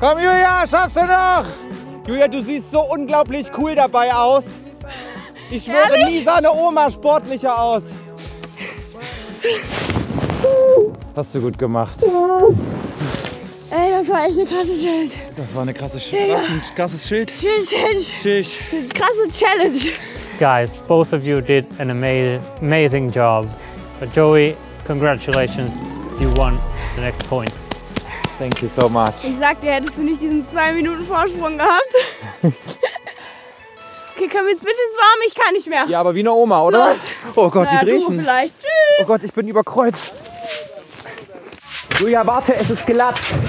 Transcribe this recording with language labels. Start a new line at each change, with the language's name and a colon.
German: Komm, Julia, schaffst du noch? Julia, du siehst so unglaublich cool dabei aus. Ich schwöre, ehrlich? Nie sah eine Oma sportlicher aus. Hast du gut gemacht. Ja. Ey, das war echt eine krasse Challenge. Das war eine krasse Challenge. Ja. Krasses Schild. Schild. Krasse Challenge.
English: Guys, both of you did an amazing job. But Joey, congratulations, you won the next point. Thank you so much.
German: Ich sagte, hättest du nicht diesen 2 Minuten Vorsprung gehabt. Okay, können wir jetzt bitte ins Warme? Ich kann nicht mehr. Ja, aber wie eine Oma, oder? Los. Oh Gott, naja, die Griechen. Du vielleicht. Tschüss. Oh Gott, ich bin überkreuzt. Julia, warte, es ist glatt.